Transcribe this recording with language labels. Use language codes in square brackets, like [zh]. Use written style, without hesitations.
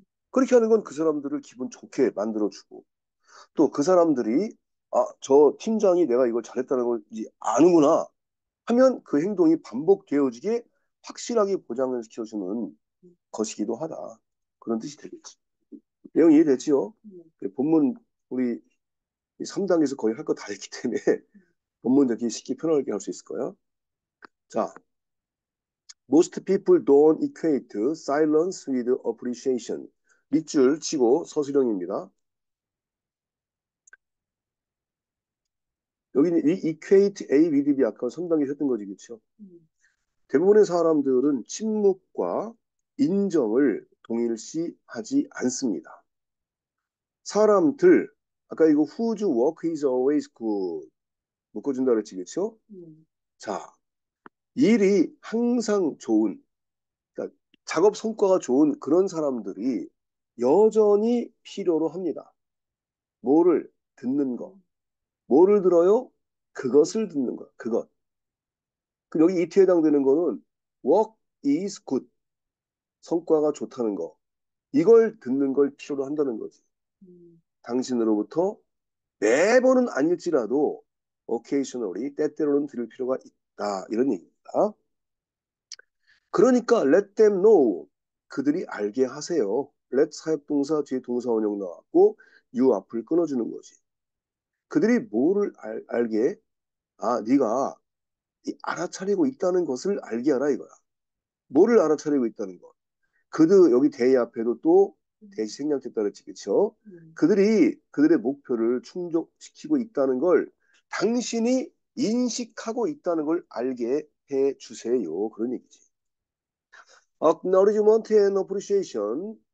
[ko] 그렇게 하는 건그 사람들을 기분 좋게 만들어주고 또그 사람들이 아, 저 팀장이 내가 이걸 잘했다는 걸 이제 아는구나 하면 그 행동이 반복되어지게 확실하게 보장을 시켜주는 것이기도 하다. 그런 뜻이 되겠지. 내용 이해됐지요? 본문 우리 3단계에서 거의 할거다 했기 때문에 본문 되게 쉽게 편하게 할수 있을 거예요. [en] 자, Most people don't equate silence with appreciation. [ko] 밑줄 치고 서술형입니다. 여기는 equate A with B 아까 3단계 했던 거지, 그렇죠? 대부분의 사람들은 침묵과 인정을 동일시하지 않습니다. 사람들, 아까 이거 whose work is always good 묶어준다 그랬지, 그렇죠? 자, 일이 항상 좋은, 그러니까 작업 성과가 좋은 그런 사람들이 여전히 필요로 합니다. 뭐를 듣는 거. 뭐를 들어요? 그것을 듣는 거. 그것. 그럼 여기 it에 해당되는 거는 work is good. 성과가 좋다는 거. 이걸 듣는 걸 필요로 한다는 거지. 당신으로부터 매번은 아닐지라도 occasionally, 때때로는 들을 필요가 있다. 이런 얘기입니다. 그러니까 let them know. 그들이 알게 하세요. Let 사역동사 뒤에 동사원형 나왔고 you 앞을 끊어주는 거지. 그들이 뭐를 알게? 아, 네가 알아차리고 있다는 것을 알게 하라 이거야. 뭐를 알아차리고 있다는 것? 그들 여기 대의 앞에도 또 대시 생략됐다는 거지, 그렇죠? 그들이 그들의 목표를 충족시키고 있다는 걸 당신이 인식하고 있다는 걸 알게 해주세요. 그런 얘기지. [en] Acknowledgement and appreciation.